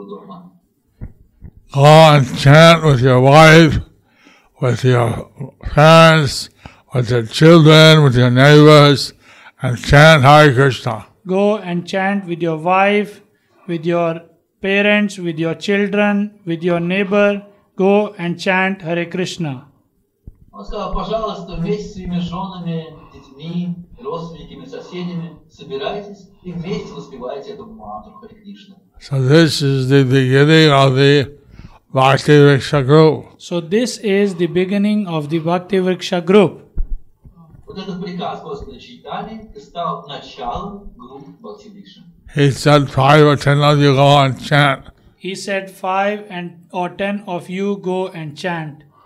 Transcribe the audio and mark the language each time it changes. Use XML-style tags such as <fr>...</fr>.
<en>Go and chant with your wife, with your parents, with your children, with your neighbors, and chant Hare Krishna. Go and chant with your wife, with your parents, with your children, with your neighbor. Go and chant Hare Krishna.</en> <ru>Пожалуйста, вместе с своими женами, детьми, родственниками, соседями, собирайтесь и вместе воспевайте эту мантру Хари Кришна.</ru> <en>So this is the beginning of the Bhakti-Vrksa group. So this is the beginning of the Bhakti-Vrksa group.</en> <ru>Вот этот приказ Господа Чайтаньи стал началом группы Бхакти-Вркша.</ru> <en>He said, 5 or 10 of you go and chant. He said, 5 or 10 of you go and chant.</en>